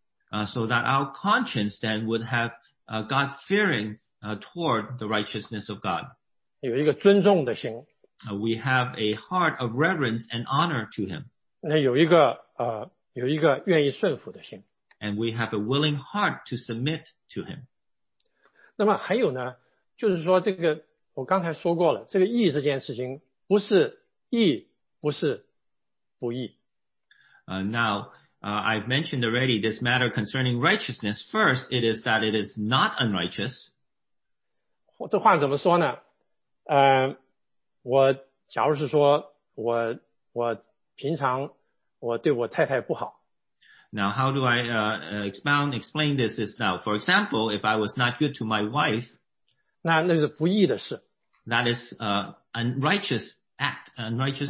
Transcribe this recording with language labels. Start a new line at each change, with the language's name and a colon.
English: So that our conscience then would have God-fearing toward the righteousness of God.
Chinese: 有一个尊重的心,
English: we have a heart of reverence and honor to Him.
Chinese: 那有一个愿意顺服的心,
English: and we have a willing heart to submit to Him.
Chinese: 那么还有呢, 就是说这个, 我刚才说过了, 这个义这件事情, 不是义,不是不义。
English: Now, I've mentioned already this matter concerning righteousness. First, it is that it is not unrighteous.
Chinese: 这话怎么说呢? 我假如是说我平常我对我太太不好。
English: Now how do I explain this is now? For example, if I was not good to my wife,
Chinese: 那是不义的事。
English: That is unrighteous act, unrighteous